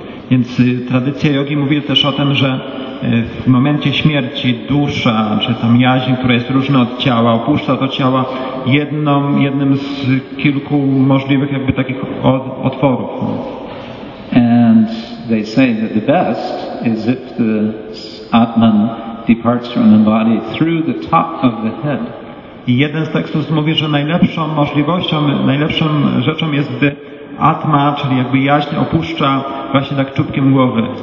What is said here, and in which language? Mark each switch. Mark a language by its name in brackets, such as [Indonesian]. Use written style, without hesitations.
[Polish] Więc tradycja jogi mówi też o tym, że w momencie śmierci dusza, czy tam jaźń, która jest różna od ciała, opuszcza to ciało jednym z kilku możliwych jakby takich otworów. [English] And they say that the best is if the Atman departs from the body through the top of the head. [Polish] I jeden z tekstów mówi, że najlepszą możliwością, najlepszą rzeczą jest, gdy atma, czyli jakby jaźń, opuszcza właśnie tak czubkiem głowy.